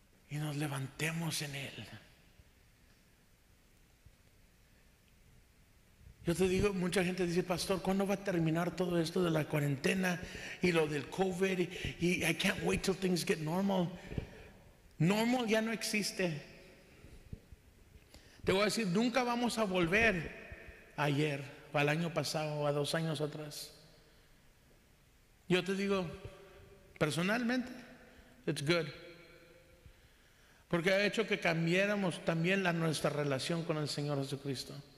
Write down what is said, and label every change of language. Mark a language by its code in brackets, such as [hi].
[es] Y nos levantemos en Él. Yo te digo, mucha gente dice: pastor, ¿cuándo va a terminar todo esto de la cuarentena y lo del COVID? [en] Y I can't wait till things get normal. [es] Normal ya no existe. Te voy a decir, nunca vamos a volver ayer, o al año pasado, o a 2 años atrás. Yo te digo, personalmente, [en] it's good. [es] Porque ha hecho que cambiáramos también nuestra relación con el Señor Jesucristo.